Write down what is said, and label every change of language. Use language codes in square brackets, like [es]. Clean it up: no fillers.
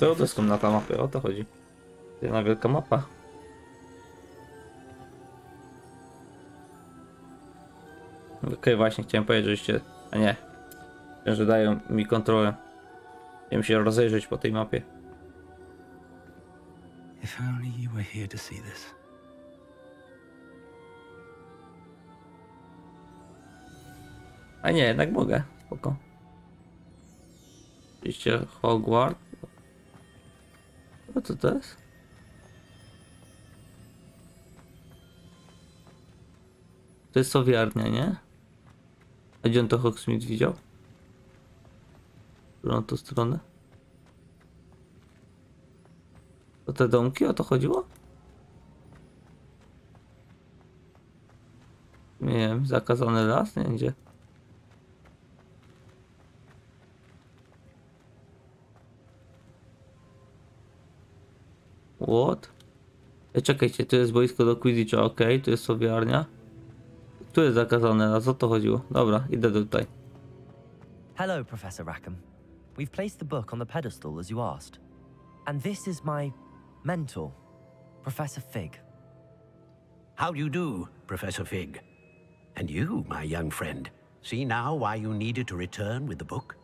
[pl] No to doskonała mapa, o to chodzi. Jedna wielka mapa. Okej, właśnie chciałem powiedzieć, żeście. A nie. Że dają mi kontrolę. Miałem się rozejrzeć po tej mapie. [en] If only you were here to see this. [pl] A nie, jednak mogę. Spoko. Oczywiście Hogwarts. O, co to jest? To jest sowiarnia, nie? A gdzie on to Hogsmeade widział? Którą tą stronę? O te domki, o to chodziło? Nie wiem, zakazany las? Nie, gdzie? [en] What? [pl] Czekajcie, tu jest boisko do Quidditcha, ok, tu jest sowiarnia. Tu jest zakazane, a co to chodziło? Dobra, idę tutaj. [en] Hello, Professor Rackham. We've placed the book on the pedestal as you asked. And this is my mentor, Professor Fig. How do you do, Professor Fig? And you, my young friend, see now why you needed to return with the book?